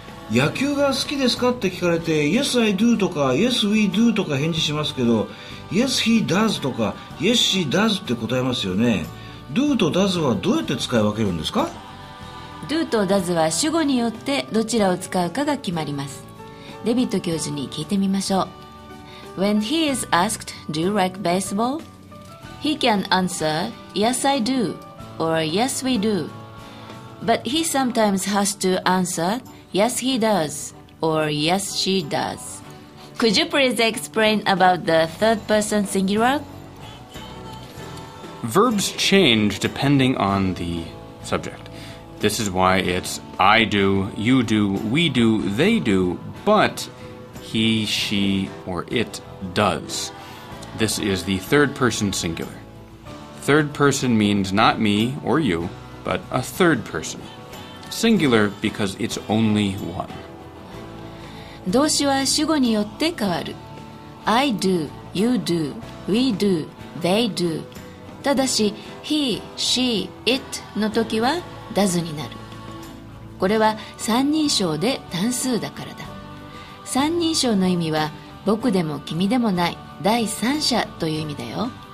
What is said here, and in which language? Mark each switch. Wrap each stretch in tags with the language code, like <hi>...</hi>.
<ja>野球が好きですかって聞かれて</ja> <en>Yes, I do</en> <ja>とか</ja> <en>Yes, we do</en> <ja>とか返事しますけど</ja> <en>Yes, he does</en> <ja>とか</ja> <en>Yes, she does</en> <ja>って答えますよね。 Do と does はどうやって使い分けるんですか？ Do と does は主語によってどちらを使うかが決まります。デビッド教授に聞いてみましょう。</ja> <en>When he is asked Do you like baseball? He can answer Yes, I do or Yes, we do. But he sometimes has to answer, yes, he does, or yes, she does. Could you please explain about the third person singular? Verbs change depending on the subject. This is why it's I do, you do, we do, they do, but he, she, or it does. This is the third person singular. Third person means not me or you, but a third person. Singular because it's only one.</en> <ja>動詞は主語によって変わる。</ja> <en>I do, you do, we do, they do.</en> <ja>ただし、he, she, it の時は does になる。これは三人称で単数だからだ。三人称の意味は僕でも君でもない第三者という意味だよ。</ja>